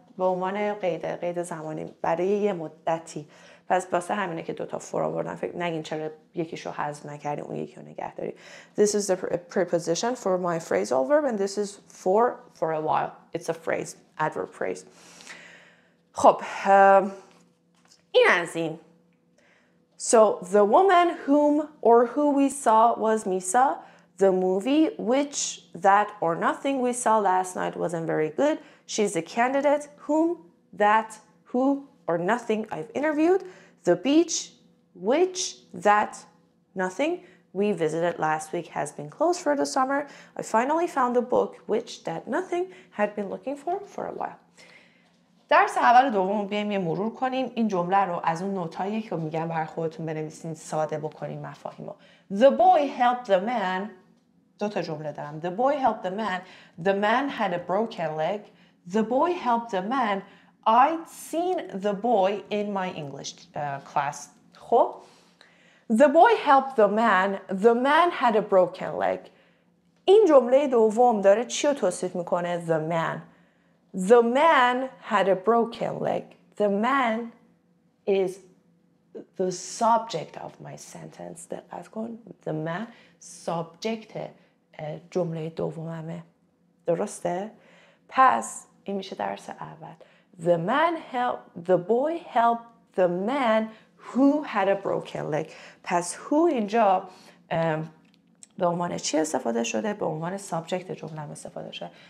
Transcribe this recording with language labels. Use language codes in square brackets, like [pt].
[fa] به عنوان قید، قید زمانی برای یه مدتی. پس باسه همینه که دوتا فور آوردن. فکر نگین چرا یکیشو حذف نکردی اون یکی رو نگه داری. [en] This is the preposition for my phrasal verb and this is for a while. It's a phrase, adverb phrase. [fa] خب این از این. [en] So the woman whom or who we saw was Misa. The movie which that or nothing we saw last night wasn't very good. She's the candidate whom that who or nothing I've interviewed. The beach, which, that, nothing, we visited last week has been closed for the summer. I finally found a book, which, that, nothing, had been looking for a while. [fa] درس اول دوم رو بیایم یه مرور کنیم. این جمله رو از اون نوتایی که میگم برای خودتون بنویسین ساده بکنیم مفاهیم رو. [en] The boy helped the man. [fa] دو تا جمله دارم. [en] The boy helped the man. The man had a broken leg. The boy helped the man. I'd seen the boy in my English class. خب. The boy helped the man. The man had a broken leg. [fa] این جمله دوم داره چی رو توصیف میکنه؟ The man. [en] The man had a broken leg. The man is the subject of my sentence. [fa] دقت کن. The man subject جمله دوممه. درسته؟ پس این میشه درس اول. [en] The man helped, the boy helped the man who had a broken leg. [fa] پس who اینجا به عنوان چی استفاده شده؟ به عنوان سابجکت جمله استفاده شده.